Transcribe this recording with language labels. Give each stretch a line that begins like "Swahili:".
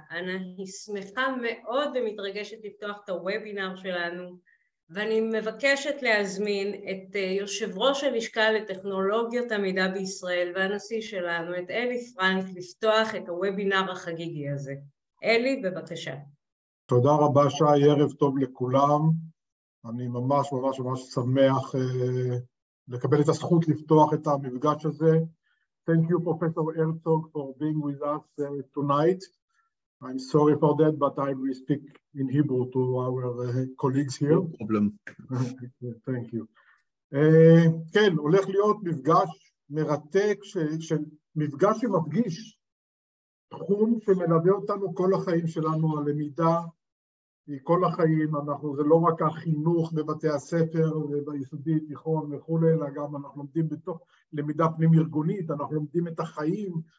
Hebrew: אני שמחה מאוד ומתרגשת לפתוח את הוובינר שלנו, ואני מבקשת להזמין את יושב ראש הלשכה לטכנולוגיות המידע בישראל והנשיא שלנו, את אלי פרנק, לפתוח את הוובינר החגיגי הזה. אלי, בבקשה. תודה רבה, שי, ערב טוב לכולם. אני ממש ממש ממש שמח לקבל את הזכות לפתוח את המפגש הזה.
English: Thank you, Professor Herzog, for being with us tonight. I'm sorry for that, but I will speak in Hebrew to our colleagues here. No problem. Thank you.
Hebrew: כן, הולך להיות מפגש מרתק, מפגש שמפגיש תחום שמלווה אותנו כל החיים שלנו, הלמידה, כל החיים, אנחנו, זה לא רק החינוך בבתי הספר וביסודי, תיכון וכו', אלא גם אנחנו לומדים בתוך למידה פנים ארגונית, אנחנו לומדים את החיים,